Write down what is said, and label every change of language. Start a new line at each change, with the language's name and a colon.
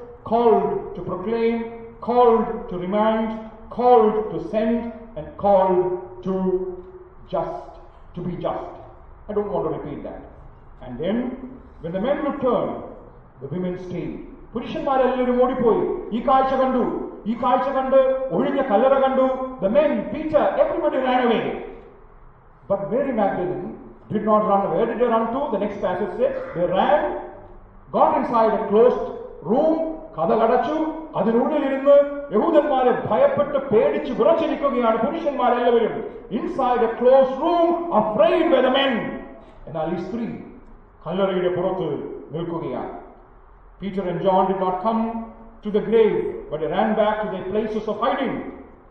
English: Called to proclaim. Called to remind. Called to send. And called to just. To be just. I don't want to repeat that. And then, when the men return, the women stay.
Malayalam: പുരുഷന്മാരെ എല്ലാവരും ഓടിപ്പോയി. ഈ കാഴ്ച കണ്ടു, ഈ കാഴ്ച കണ്ട് ഒഴിഞ്ഞ കല്ലറ കണ്ടു.
English: The men, Peter, everybody ran away. But Mary Magdalene did not run. Where did they run to? The next passage says they ran, got inside a closed room,
Malayalam: കഥകടച്ചു, അതിനുള്ളിലിരുന്ന് യഹൂദന്മാരെ ഭയപ്പെട്ട് പേടിച്ച് വിറച്ചിരിക്കുകയാണ് പുരുഷന്മാരെല്ലാവരും.
English: Inside a closed room, afraid by the men.
Malayalam: എന്നാൽ ഈ സ്ത്രീ കല്ലറയുടെ പുറത്ത് നിൽക്കുകയാണ്.
English: Peter and John did not come to the grave, but they ran back to their places of hiding.